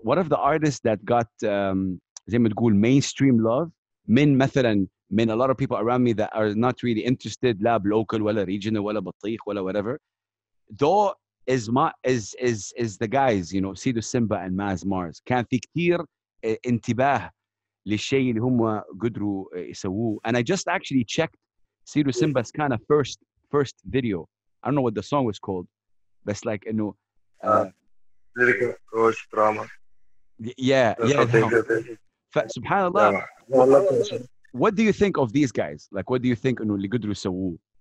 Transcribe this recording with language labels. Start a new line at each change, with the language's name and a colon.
English: What of the artists that got
Arabic: زي ما تقول
English: mainstream love
Arabic: من مثلاً من
English: a lot of people around me that are not really interested,
Arabic: لا
English: local ولا regional
Arabic: ولا بطيخ ولا
English: whatever, though is the guys, you know, Sido Simba and Maz Mars.
Arabic: كان في كتير انتباه للشيء اللي هم قدروا يسووه.
English: And I just actually checked Sido Simba's kind of first video. I don't know what the song was called, but it's like, you know, lyrical approach drama. Yeah. Subhanallah. What do you think of these guys? Like, what do you think
Arabic: اللي قدروا يسووه?